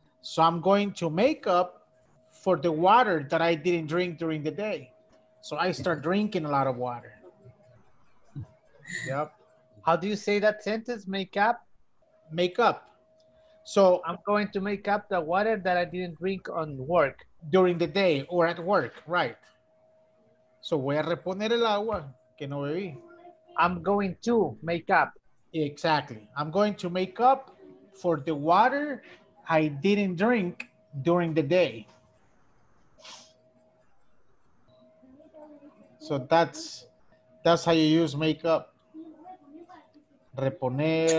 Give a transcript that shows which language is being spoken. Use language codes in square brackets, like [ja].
[en] So I'm going to make up for the water that I didn't drink during the day. So I start drinking a lot of water. Yep. How do you say that sentence, make up? Make up. So I'm going to make up the water that I didn't drink on work. During the day or at work, right. [es] So voy a reponer el agua que no bebí. [en] I'm going to make up. Exactly. I'm going to make up for the water I didn't drink during the day. So that's how you use make up. Reponer.